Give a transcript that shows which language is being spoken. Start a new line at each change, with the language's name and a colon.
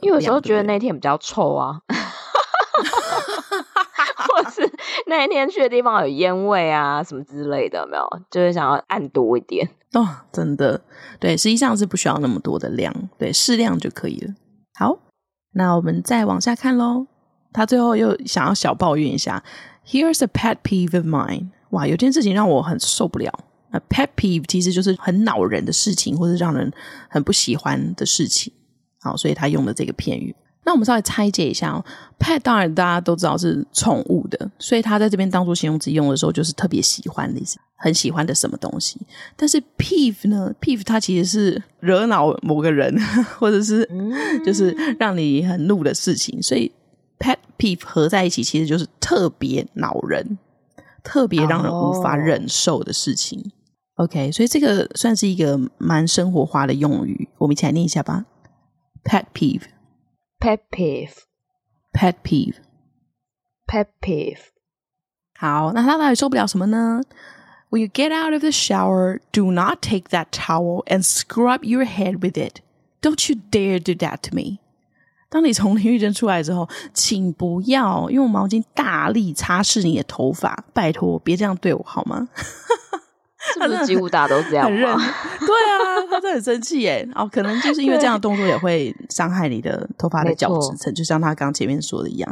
Chinese: 因为有时候觉得那天比较臭啊，或是那一天去的地方有烟味啊什么之类的，没有，就是想要按多一点。哦，真的，对，实际上是不需要那么多的量，对，适量就可以了。好，那我们再往下看咯。他最后又想要小抱怨一下 ，
English: Here's a pet peeve of mine。
Chinese: 哇，有件事情让我很受不了。那 pet peeve 其实就是很恼人的事情，或是让人很不喜欢的事情。好，所以他用了这个片语。那我们稍微拆解一下哦。pet 当然大家都知道是宠物的，所以他在这边当作形容词用的时候，就是特别喜欢的意思，很喜欢的什么东西。但是 peeve 呢 ？peeve 它其实是惹恼某个人，或者是就是让你很怒的事情。所以 pet peeve 合在一起，其实就是特别恼人。特别让人无法忍受的事情。OK， 所以这个算是一个蛮生活化的用语，我们一起来念一下吧。
English: Pet peeve. Pet peeve. Pet peeve. Pet peeve.
Chinese: 好，那他到底受不了什么呢？
English: When you get out of the shower, do not take that towel and scrub your head with it. Don't you dare do that to me.
Chinese: 当你从淋浴间出来之后，请不要用毛巾大力擦拭你的头发，拜托别这样对我好吗？是不是几乎大家都这样吗？对啊，他真的很生气耶。哦，可能就是因为这样的动作也会伤害你的头发的角质层，就像他刚前面说的一样。